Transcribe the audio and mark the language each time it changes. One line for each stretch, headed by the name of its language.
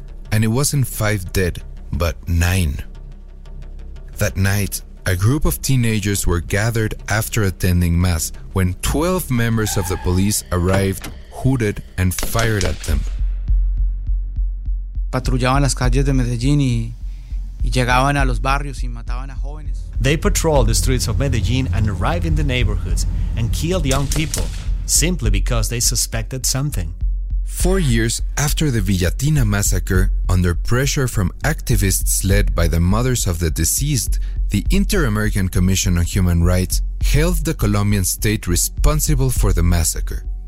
English: And it wasn't five dead, but nine. That night, a group of teenagers were gathered after attending mass when 12 members of the police arrived, hooded, and fired at them.
Spanish: Patrullaban las calles de Medellín y... Y llegaban a los barrios y mataban a jóvenes.
English: They patrolled the streets of Medellin and arrived in the neighborhoods and killed young people simply because they suspected something. 4 years after the Villatina massacre, under pressure from activists led by the mothers of the deceased, the Inter-American Commission on Human Rights held the Colombian state responsible for the massacre.